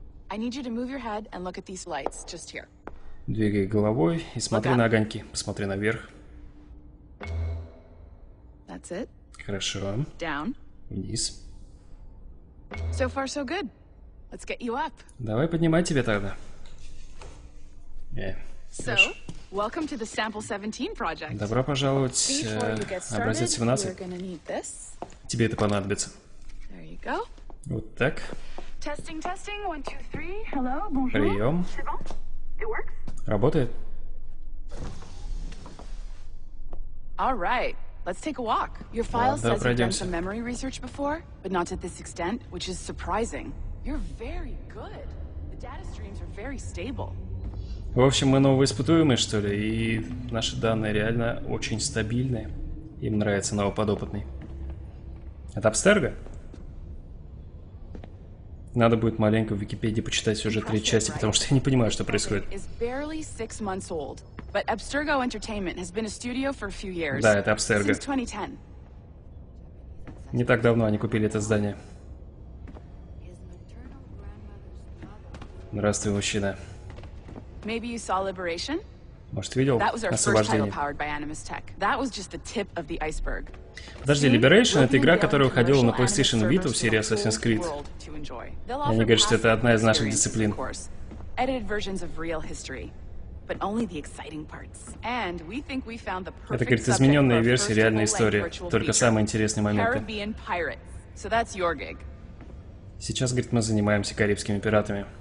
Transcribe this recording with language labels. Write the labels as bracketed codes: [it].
[ru] Двигай головой и смотри на огоньки. Посмотри наверх. Хорошо. Вниз. [en] So far, so good. Let's get you up. [ru] Давай поднимай тебя тогда. [en] So, Welcome to the Sample 17 project. [ru] Добро пожаловать в образец 17. Тебе это понадобится. [en] There you go. [ru] Вот так. [en] Testing, testing. 1, 2, 3. Hello, bonjour. [ru] Прием. [en] It works? [ru] Работает. [en] All right. Let's take a walk. Your file says you've done some memory research before, but not to this extent, which is surprising. You're very good. The data streams are very stable. [ru] В общем, мы новоиспытуемые, что ли, и наши данные реально очень стабильные. Им нравится новоподопытный. Это Абстерго? Надо будет маленько в Википедии почитать уже три части, потому что я не понимаю, что происходит. [en] But Abstergo Entertainment has been a studio for a few years. [ru] Да, это Абстерго. [en] Since 2010. [ru] Не так давно они купили это здание. Здравствуй, мужчина. [en] Maybe you saw Liberation? [ru] Может, видел? [en] That was our first title powered by Animus Tech. That was just the tip of the iceberg. [ru] Подожди, Liberation — это игра, которая выходила на PlayStation Vita в серии Assassin's Creed. Они говорят, что это одна из наших дисциплин. [en] Edited versions of real history. But only the exciting parts. And we think we found the perfect. [ru] Это, говорит, измененные версии реальной истории. Только самые интересные моменты. [en] Caribbean pirates. So that's your gig. [ru] Сейчас, говорит, мы занимаемся карибскими пиратами.